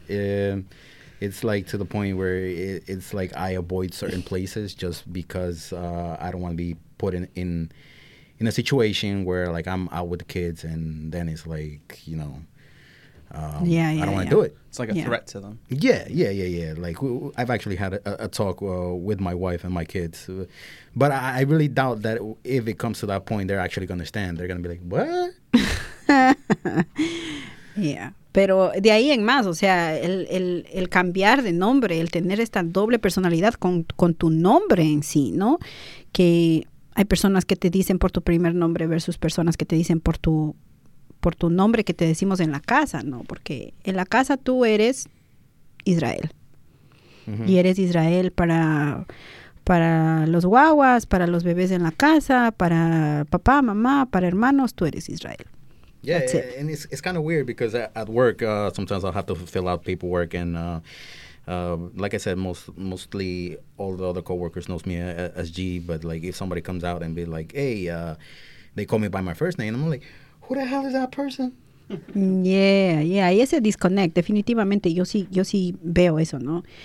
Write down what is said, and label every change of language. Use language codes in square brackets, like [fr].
[en] It's like to the point where it's like I avoid certain places just because I don't want to be put in a situation where like I'm out with the kids and then it's like, you know, I don't want to do it. It's like a threat to them. Yeah. Like I've actually had a talk with my wife and my kids. But I really doubt that if it comes to that point, they're actually going to understand. They're going to be like, what? Yeah. [es] Pero de ahí en más, o sea, el cambiar de nombre, el tener esta doble personalidad con tu nombre en sí, ¿no? Que hay personas que te dicen por tu primer nombre versus personas que te dicen por tu nombre que te decimos en la casa, ¿no? Porque en la casa tú eres Israel. Uh-huh. Y eres Israel para los guaguas, para los bebés en la casa, para papá, mamá, para hermanos, tú eres Israel. [en] Yeah, that's it. And it's kind of weird because at work, sometimes I'll have to fill out paperwork. And like I said, mostly all the other coworkers knows me as G. But like if somebody comes out and be like, hey, they call me by my first name, I'm like, who the hell is that person? Yeah. [es] Y ese disconnect, definitivamente, yo sí veo eso, ¿no?